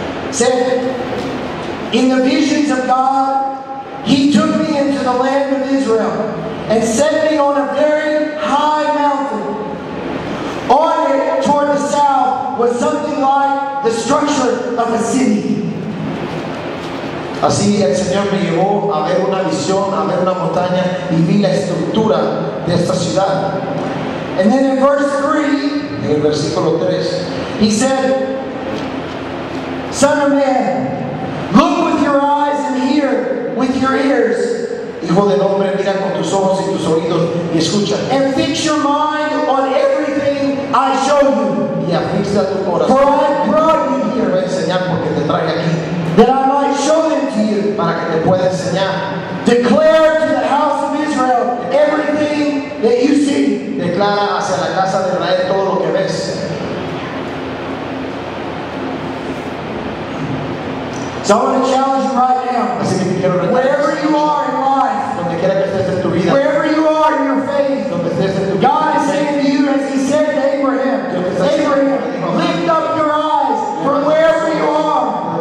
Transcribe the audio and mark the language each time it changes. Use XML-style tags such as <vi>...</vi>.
<en>Said, in the visions of God, He took me into the land of Israel and set me on a very high mountain. On it, toward the south, was something like the structure of a city.</en> <es>Así el Señor me llevó a ver una visión, a ver una montaña, y vi la estructura de esta ciudad.</es> <en>And then in verse 3,</en> <es>en el versículo 3,</es> <en>He said, son of man, look with your eyes and hear with your ears.</en> <es>Hijo del hombre, mira con tus ojos y tus oídos y escucha.</es> <en>And fix your mind on everything I show you. For I brought you here</en> <es>te traje aquí,</es> <en>that I might show them to you.</en> <es>Para que te pueda enseñar.</es> <en>Declare to the house of Israel everything that you see.</en> <es>Declara hacia la casa de Israel todo lo que ves.</es> <en>So I want to challenge you right now.</en> <es>Así que quiero retar,</es> <en>wherever you are in life,</en> <es>donde quiera que estés en tu vida,</es> <en>wherever you are in your faith,</en> <es>donde estés en tu</es> <en>vida, God is saying to you as He said to Abraham. Lift up your eyes from wherever you are.</en>